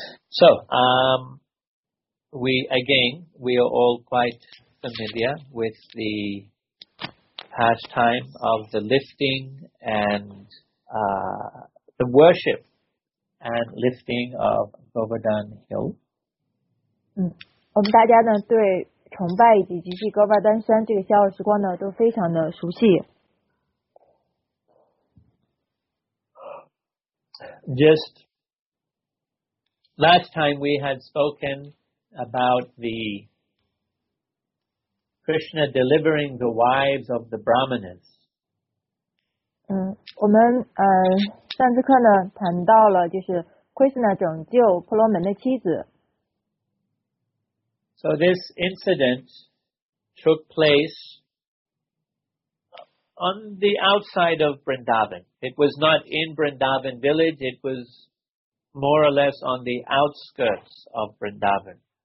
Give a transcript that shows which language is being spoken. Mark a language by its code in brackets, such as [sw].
[en] So, we are all quite familiar with the pastime of the liftingAnd the worship and lifting of Govardhan Hill. [zh] 嗯，我们大家呢对崇拜以及祭Govardhan山这个逍遥时光呢都非常的熟悉。 [en] Just last time we had spoken about the Krishna delivering the wives of the Brahmanas. [zh] 嗯，我们上次课呢谈到了就是 Krishna 拯救婆罗门的妻子。 [en] So this incident took place on the outside of Vrindavan. It was not in Vrindavan village, it was more or less on the outskirts of Vrindavan.